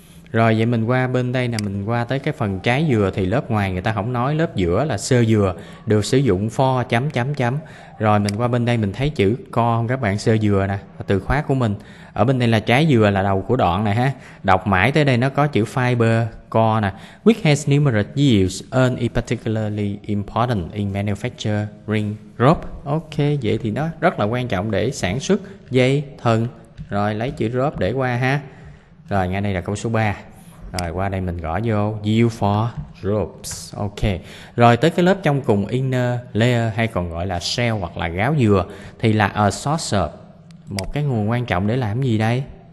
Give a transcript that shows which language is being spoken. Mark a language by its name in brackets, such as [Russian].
[Vietnamese] Rồi vậy mình qua bên đây nè, mình qua tới cái phần trái dừa thì lớp ngoài người ta không nói, lớp giữa là xơ dừa, được sử dụng pho chấm chấm chấm. Rồi mình qua bên đây mình thấy chữ co không các bạn, xơ dừa nè, từ khóa của mình. Ở bên đây là trái dừa là đầu của đoạn này ha. Đọc mãi tới đây nó có chữ fiber, co nè. [English] Which has numerous uses and is particularly important in manufacturing rope. [Vietnamese] Ok, vậy thì nó rất là quan trọng để sản xuất dây thừng. Rồi lấy chữ rope để qua ha. Rồi ngay đây là câu số 3. Rồi qua đây mình gõ vô U for ropes. Ok. Rồi tới cái lớp trong cùng [English] inner layer, [Vietnamese] hay còn gọi là shell hoặc là gáo dừa, thì là [English] a source of, [Vietnamese] một cái nguồn quan trọng để làm gì đây?